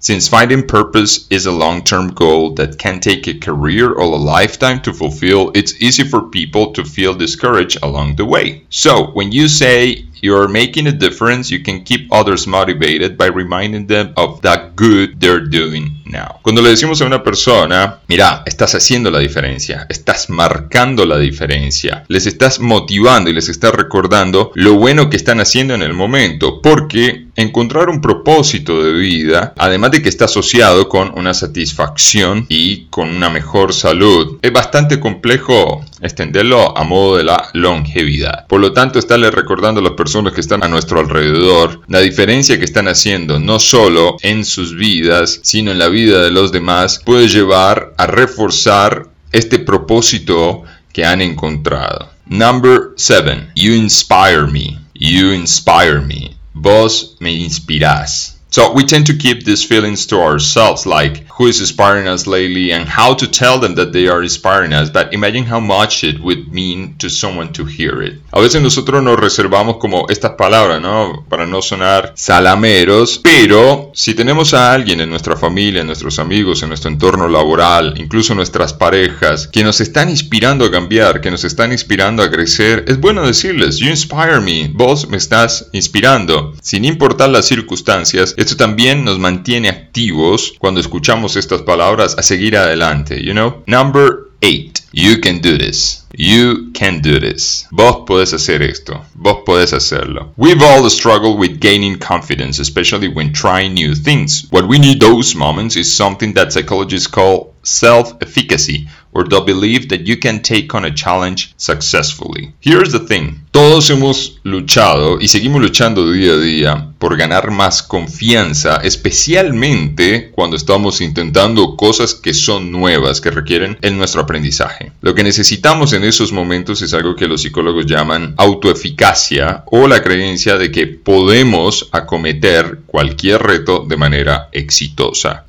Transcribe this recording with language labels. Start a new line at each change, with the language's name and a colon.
English: Since finding purpose is a long-term goal that can take a career or a lifetime to fulfill, it's easy for people to feel discouraged along the way. So, when you say you're making a difference, you can keep others motivated by reminding them of the good they're doing now.
Spanish: Cuando le decimos a una persona, mira, estás haciendo la diferencia, estás marcando la diferencia, les estás motivando y les estás recordando lo bueno que están haciendo en el momento, porque encontrar un propósito de vida, además de que está asociado con una satisfacción y con una mejor salud, es bastante complejo extenderlo a modo de la longevidad. Por lo tanto, estarle recordando a las personas que están a nuestro alrededor la diferencia que están haciendo, no solo en sus vidas, sino en la vida de los demás, puede llevar a reforzar este propósito que han encontrado.
English: Number 7. You inspire me. You inspire me.
Spanish: Vos me inspirás.
English: So we tend to keep these feelings to ourselves, like who is inspiring us lately and how to tell them that they are inspiring us. But imagine how much it would mean to someone to hear it.
Spanish: A veces nosotros nos reservamos como estas palabras, ¿no? Para no sonar salameros. Pero si tenemos a alguien en nuestra familia, en nuestros amigos, en nuestro entorno laboral, incluso nuestras parejas, que nos están inspirando a cambiar, que nos están inspirando a crecer, es bueno decirles,
English: you inspire me,
Spanish: vos me estás inspirando. Sin importar las circunstancias, esto también nos mantiene activos cuando escuchamos estas palabras a seguir adelante, you know?
English: Number 8. You can do this. You can do this.
Spanish: Vos podés hacer esto. Vos podés hacerlo.
English: We've all struggled with gaining confidence, especially when trying new things. What we need those moments is something that psychologists call self-efficacy, or the belief that you can take on a challenge successfully. Here's the thing.
Spanish: Todos hemos luchado y seguimos luchando día a día por ganar más confianza, especialmente cuando estamos intentando cosas que son nuevas, que requieren en nuestro aprendizaje. Lo que necesitamos en esos momentos es algo que los psicólogos llaman autoeficacia o la creencia de que podemos acometer cualquier reto de manera exitosa.